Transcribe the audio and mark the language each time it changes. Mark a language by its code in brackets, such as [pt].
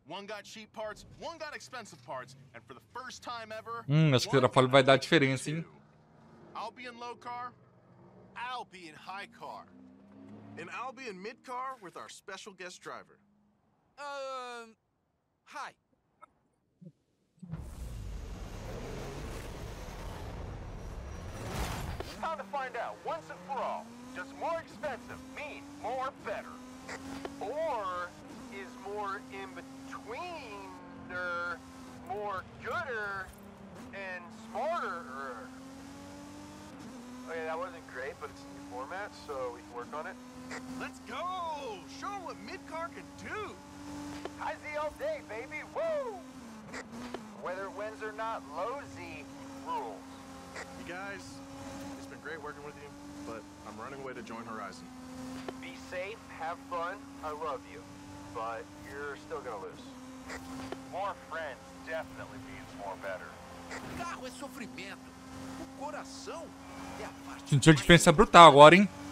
[en] One got cheap parts, one got expensive parts, and for the first time ever... [pt] acho que o aerofólio vai dar a diferença, hein? [en] I'll be in low car, I'll be in high car. And I'll be in mid car with our special guest driver. Hi. It's time to find out, once and for all, does more expensive mean more better? Or is more in betweener more gooder and smarter? Okay, that wasn't great, but it's a new format, so we can work on it. Let's go! Show them what mid-car can do! High Z all day, baby! Woo! Whether it wins or not, low Z rules. You guys... great working with you, but I'm running away to join Horizon. Be safe, have fun, I love you, but you're still gonna lose. More friends definitely means more better. [pt] Carro é sofrimento, o coração é a parte. Sentiu a diferença brutal agora, hein?